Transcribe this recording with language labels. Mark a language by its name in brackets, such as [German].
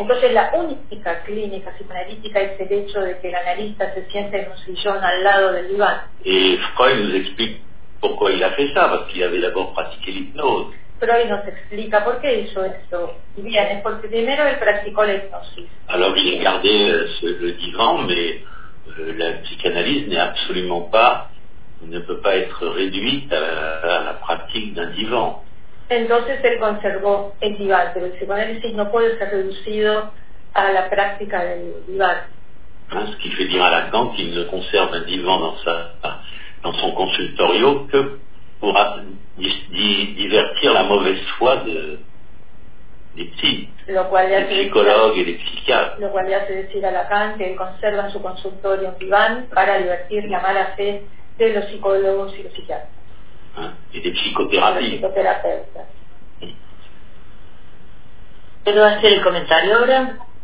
[Spanish] Entonces la única clínica psicoanalítica es el hecho de que el analista se siente en un sillón al lado del diván. [French] Et Freud nous explique pourquoi il a fait ça, parce qu'il avait d'abord pratiqué l'hypnose. [Spanish] Freud nos explica por qué hizo esto. Y bien, es porque primero él practicó la hipnosis. [French] Alors il a gardé le divan, mais la psychanalyse n'est absolument pas, ne peut pas être réduite à la pratique d'un divan. [Spanish] Entonces él conservó el diván, pero el psicoanálisis no puede ser reducido a la práctica del diván. [French] Ce qui fait dire à Lacan qu'il ne conserve un divan dans son consultorio que pour divertir la mauvaise foi les psicologues et les psychiatres. [Spanish] Lo cual le hace decir a Lacan que él conserva en su consultorio en Iván para divertir la mala fe de los psicólogos y los psiquiatras. [French] Hein? Et des psychothérapies. [Spanish] Los psicoterapeutas. ¿Puedo hacer el comentario ahora?